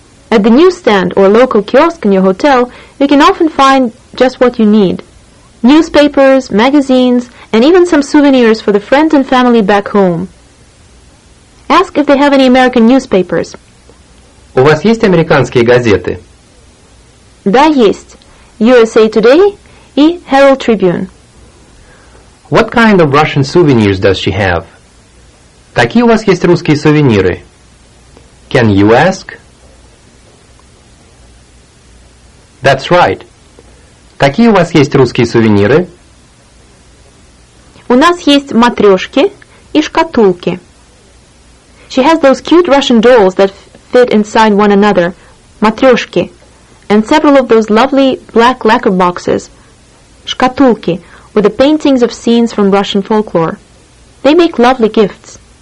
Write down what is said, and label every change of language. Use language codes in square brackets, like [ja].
[en] At the newsstand or local kiosk in your hotel, you can often find just what you need. Newspapers, magazines, and even some souvenirs for the friends and family back home. Ask if they have any American newspapers. [ru] У вас есть американские газеты? Да, есть. USA Today и Herald Tribune. [en] What kind of Russian souvenirs does she have? Какие у вас есть русские сувениры? Can you ask? That's right. [ru] Какие у вас есть русские сувениры? У нас есть матрешки и шкатулки. [en] She has those cute Russian dolls that fit inside one another. [ru] Матрешки. [en] And several of those lovely black lacquer boxes. [ru] Шкатулки. [en] With the paintings of scenes from Russian folklore. They make lovely gifts.